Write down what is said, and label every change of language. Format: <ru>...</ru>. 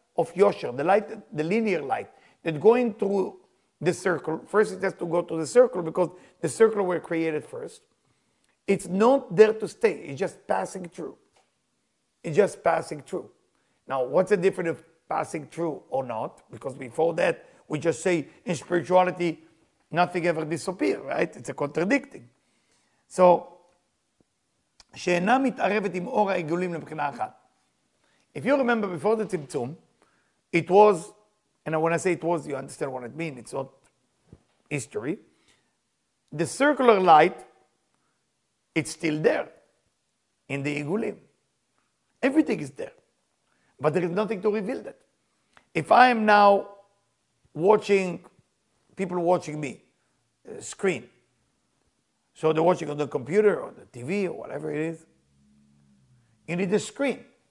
<en>of Yosher, the light, the linear light, that going through the circle, first it has to go to the circle because the circle were created first. It's not there to stay. It's just passing through. It's just passing through. Now, what's the difference of passing through or not? Because before that, we just say in spirituality, nothing ever disappears, right? It's a contradicting. So,</en> <he>שאינה מתערבת עם אור העיגולים לבחינה אחת.</he> <en>If you remember before the Tzimtzum, it was, and when I say it was, you understand what it means, it's not history. The circular light, it's still there in the Igulim. Everything is there, but there is nothing to reveal that. If I am now watching, people watching me, screen, so they're watching on the computer or the TV or whatever it is, you need a screen.</en>